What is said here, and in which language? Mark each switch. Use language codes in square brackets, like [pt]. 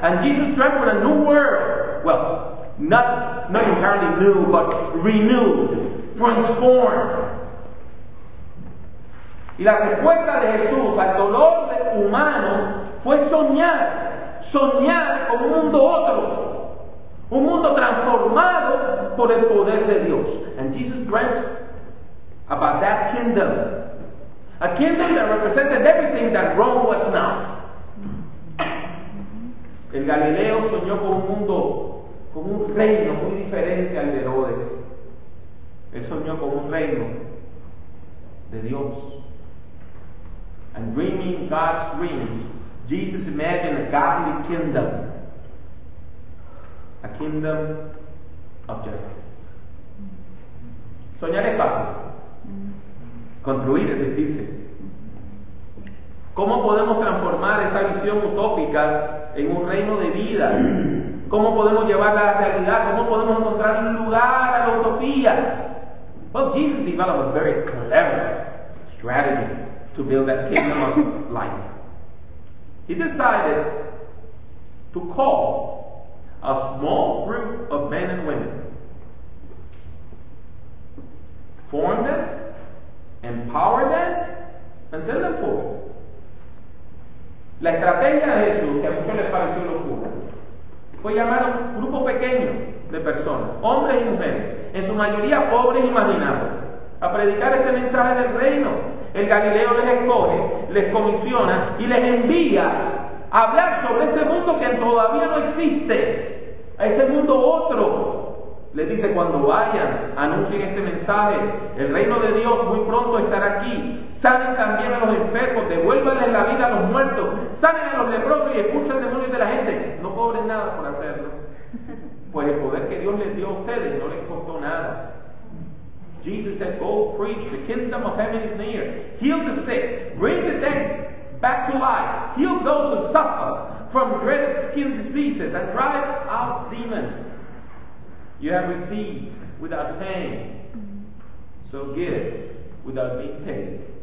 [en] And Jesus dreamt with a new world. Well, not entirely new, but renewed, transformed. [es] Y la respuesta de Jesús al dolor humano fue soñar. Soñar con un mundo otro. Un mundo transformado por el poder de Dios. [en] And Jesus dreamt about that kingdom. A kingdom that represented everything that Rome was not. [es] El Galileo soñó con un mundo, con un reino muy diferente al de Herodes. Él soñó con un reino de Dios. [en] And dreaming God's dreams, Jesus imagined a godly kingdom. A kingdom of justice. [es] Soñar es fácil. Construir es difícil. ¿Cómo podemos transformar esa visión utópica en un reino de vida? ¿Cómo podemos llevarla a la realidad? ¿Cómo podemos encontrar un lugar a la utopía? [en] Well, Jesus developed a very clever strategy to build that kingdom of life. He decided to call a small group of men and women, form them, empower them, and send them forth. [es] La estrategia de Jesús, que a muchos les pareció locura, fue llamar a un grupo pequeño de personas, hombres y mujeres, en su mayoría pobres y marginados, a predicar este mensaje del reino. El Galileo les escoge, les comisiona y les envía a hablar sobre este mundo que todavía no existe, a este mundo otro. Les dice, cuando vayan, anuncien este mensaje. El reino de Dios muy pronto estará aquí. Sanen también a los enfermos, devuélvanles la vida a los muertos. Sanen a los leprosos y expulsen demonios de la gente. No cobren nada por hacerlo. Pues el poder que Dios les dio a ustedes no les costó nada. [en] Jesus said, go preach, the kingdom of heaven is near. Heal the sick, bring the dead back to life, heal those who suffer from dreaded skin diseases, and drive out demons. You have received without paying, so give without being paid.